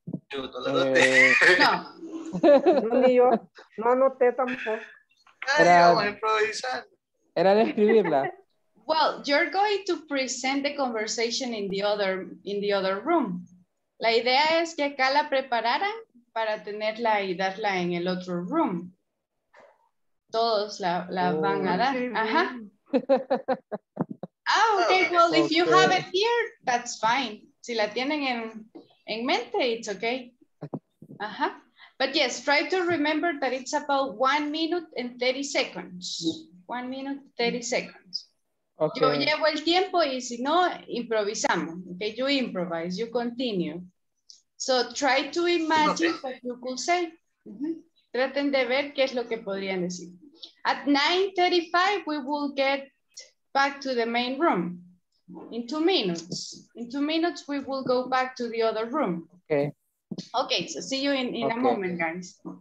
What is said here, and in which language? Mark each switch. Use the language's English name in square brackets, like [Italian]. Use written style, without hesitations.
[Spanish] Yo no la anoté. No. Ni yo. No anoté tampoco. Ay, vamos a improvisar. Era de escribirla. [English] Well, you're going to present the conversation in the other room. [Spanish] La idea es que acá la prepararan para tenerla y darla en el otro room. Todos la van a dar. Ajá. Ah, ok. [English] Well, okay. If you have it here, that's fine. [Spanish] Si la tienen en mente, [English] it's okay. Ajá. But yes, try to remember that it's about 1 minute and 30 seconds. 1 minute, 30 seconds. Okay. [Spanish] Yo llevo el tiempo y si no, improvisamos. [English] Okay, you improvise, you continue. So try to imagine what you could say. [Spanish] Traten de ver qué es lo que podrían decir. [English] At 9:35, we will get back to the main room. In 2 minutes. In 2 minutes, we will go back to the other room. Okay. Okay, so see you in a moment, guys.